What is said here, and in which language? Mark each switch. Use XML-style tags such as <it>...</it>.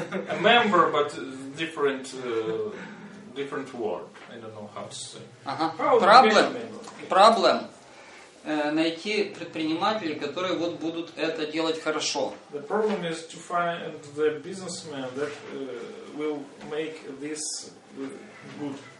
<en>A member, but different word. I don't know how to say.</en> <ru>Проблем. Проблем. Найти предпринимателей, которые вот будут это делать хорошо.</ru> <en>The problem is to find the businessmen that will make this good.</en>